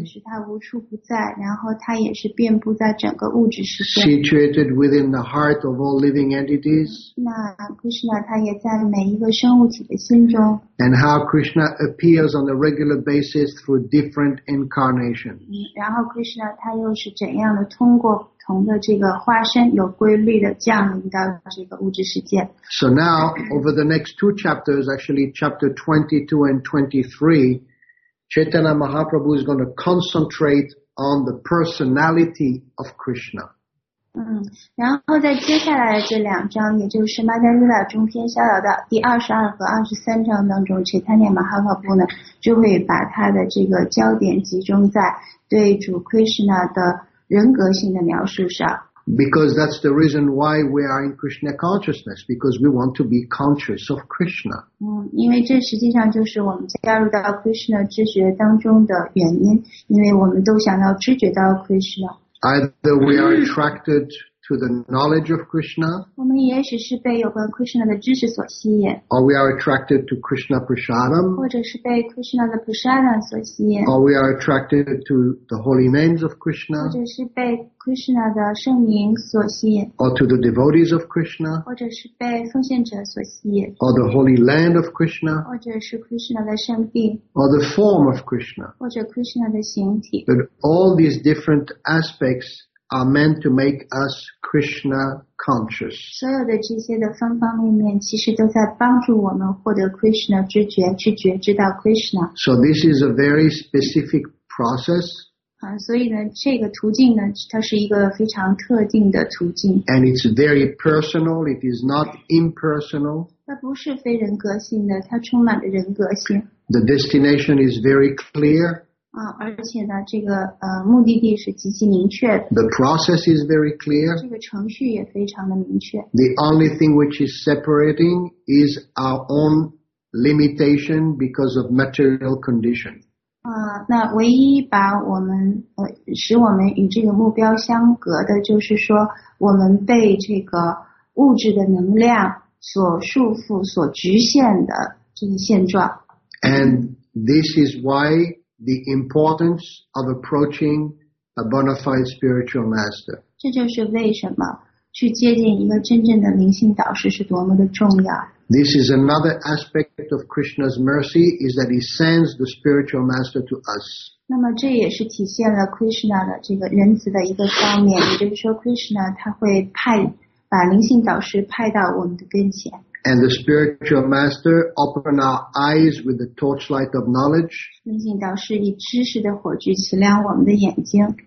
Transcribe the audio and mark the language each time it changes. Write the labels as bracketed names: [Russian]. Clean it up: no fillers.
[Chinese] 是它无处不在，然后它也是遍布在整个物质世界。 [English] Situated within the heart of all living entities. [Chinese] 那 Krishna 它也在每一个生物体的心中。 [English] And how Krishna appears on a regular basis through different incarnations. [Chinese] 然后 Krishna 它又是怎样的通过不同的这个化身，有规律的降临到这个物质世界。 [English] So now, over the next two chapters, actually chapter 22 and 23, Chaitanya Mahaprabhu is going to concentrate on the personality of Krishna. [Chinese] 然后在接下来的这两章，也就是《曼德拉拉中篇》下到的第22和23章当中， Chaitanya Mahaprabhu 呢，就会把他的这个焦点集中在对主 Krishna 的人格性的描述上。 [English] Because that's the reason why we are in Krishna consciousness, because we want to be conscious of Krishna. [Chinese] 因为这实际上就是我们加入到 Krishna 知觉当中的原因，因为我们都想要知觉到 Krishna. [English] Either we are attracted to the knowledge of Krishna. [Chinese] 我们也许是被有关 Krishna 的知识所吸引。 [English] Or we are attracted to Krishna Prasadam. [Chinese] 或者是被 Krishna 的 Prasadam 所吸引。 [English] Or we are attracted to the holy names of Krishna. [Chinese] 或者是被 Krishna 的圣名所吸引。 [English] Or to the devotees of Krishna. [Chinese] 或者是被奉献者所吸引。 [English] Or the holy land of Krishna. [Chinese] 或者是 Krishna 的圣地。 [English] Or the form of Krishna. [Chinese] 或者 Krishna 的形体。 [English] But all these different aspects. Are meant to make us Krishna conscious. [Chinese] 所有的这些的方方面面，其实都在帮助我们获得 Krishna 知觉，去觉知到 Krishna. [English] So this is a very specific process. [Chinese] 所以呢，这个途径呢，它是一个非常特定的途径。 [English] And it's very personal. It is not impersonal. [Chinese] 它不是非人格性的，它充满了人格性。 [English] The destination is very clear. [Chinese] 而且呢，这个目的地是极其明确的。 [English] The process is very clear. [Chinese] 这个程序也非常的明确。 [English] The only thing which is separating is our own limitation because of material condition. [Chinese] 那唯一把我们使我们与这个目标相隔的，就是说我们被这个物质的能量所束缚、所局限的这个现状。 [English] And this is why. The importance of approaching a bona fide spiritual master. [Chinese] 这就是为什么去接近一个真正的灵性导师是多么的重要。 [English] This is another aspect of Krishna's mercy, is that he sends the spiritual master to us. [Chinese] 那么这也是体现了 Krishna 的这个仁慈的一个方面，也就是说 Krishna 他会派把灵性导师派到我们的跟前。 [English] And the spiritual master opens our eyes with the torchlight of knowledge. [Chinese] 灵性导师以知识的火炬点亮我们的眼睛。